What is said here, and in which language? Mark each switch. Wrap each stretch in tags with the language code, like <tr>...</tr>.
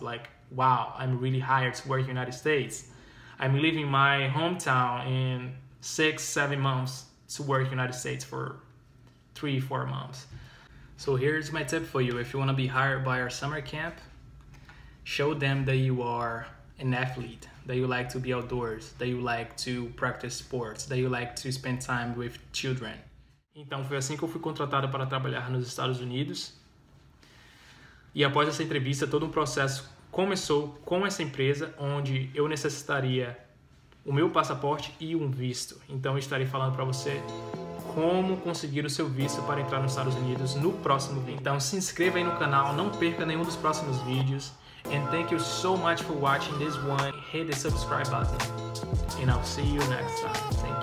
<en>Like, wow, I'm really hired to work in the United States. I'm leaving my hometown in 6-7 months to work in the United States for 3-4 months. So here's my tip for you. If you want to be hired by our summer camp, show them that you are an athlete, that you like to be outdoors, that you like to practice sports, that you like to spend time with children.</en> <pt>Então foi assim que eu fui contratado para trabalhar nos Estados Unidos. E após essa entrevista, todo um processo começou com essa empresa, onde eu necessitaria o meu passaporte e um visto. Então eu estarei falando para você como conseguir o seu visto para entrar nos Estados Unidos no próximo vídeo. Então se inscreva aí no canal, não perca nenhum dos próximos vídeos.</pt> <en>And thank you so much for watching this one. Hit the subscribe button, and I'll see you next time.</en>